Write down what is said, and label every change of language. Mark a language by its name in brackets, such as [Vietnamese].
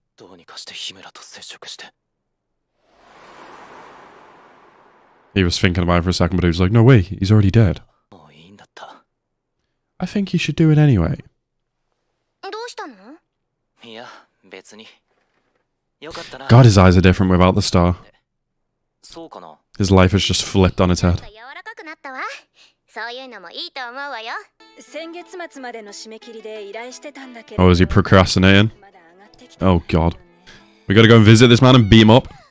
[Japanese] どうにかして姫らと接触して。 [English] He was thinking about it for a second, but he was like, "No way, he's already dead." [Japanese] もういいんだった。 [English] I think you should do it anyway. [Japanese] どうしたの？いや、別に。よかったな。 [English] God, his eyes are different without the star. [Japanese] そうかな。 [English] His life has just flipped on its head. [Japanese] 柔らかくなったわ。そういうのもいいと思うわよ。先月末までの締め切りで依頼してたんだけど。 [English] Oh, is he procrastinating? Oh, God. We gotta go and visit this man and beat him up.